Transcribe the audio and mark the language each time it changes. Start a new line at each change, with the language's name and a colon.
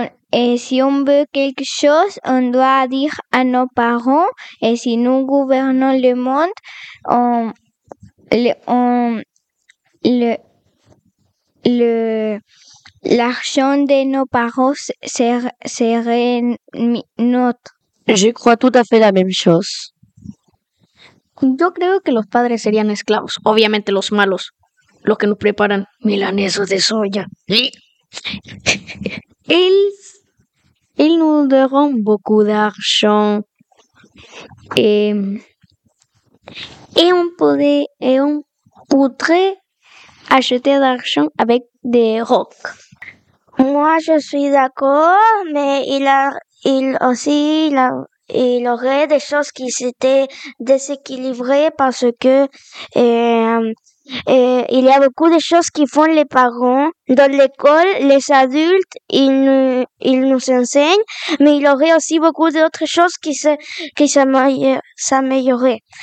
French: et si on veut quelque chose on doit dire à nos parents et si nous gouvernons le monde l'argent de nos parents serait notre. Je crois tout à fait la même chose.
Spanish: Yo creo que los padres serían esclavos, obviamente los malos, los que nos preparan milanesos de soya.
French: Ils nous donneront beaucoup d'argent. Et on pourrait acheter d'argent avec des rocs. Moi, je suis d'accord, mais il aurait des choses qui s'étaient déséquilibrées parce que il y a beaucoup de choses qui font les parents dans l'école, les adultes, ils nous enseignent, mais il y aurait aussi beaucoup d'autres choses qui s'amélioreraient.